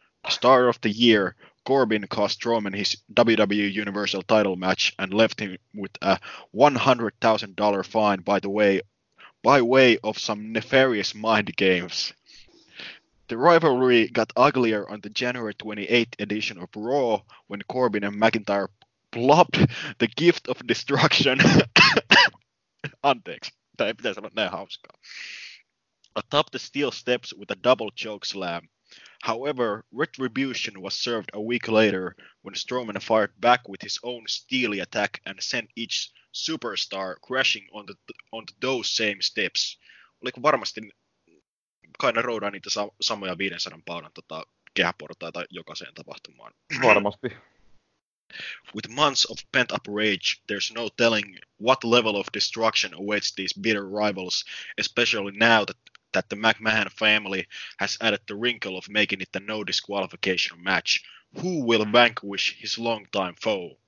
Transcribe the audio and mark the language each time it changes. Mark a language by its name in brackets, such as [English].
[English] The start of the year, Corbin cost Strowman his WWE Universal title match and left him with a $100,000 fine, by way of some nefarious mind games. The rivalry got uglier on the January 28th edition of Raw when Corbin and McIntyre plopped the gift of destruction. [Finnish] Anteeksi, tämä ei pitäisi olla näin hauskaa. [English] Atop the steel steps with a double choke slam. However, retribution was served a week later when Strowman fired back with his own steely attack and sent each superstar crashing onto those same steps. [Finnish] Oliko varmasti Kaina roudaa niitä samoja 500 paunan kehäportaita jokaiseen tapahtumaan? Varmasti. [English] With months of pent-up rage, there's no telling what level of destruction awaits these bitter rivals, especially now that the McMahon family has added the wrinkle of making it a no-disqualification match. Who will vanquish his longtime foe?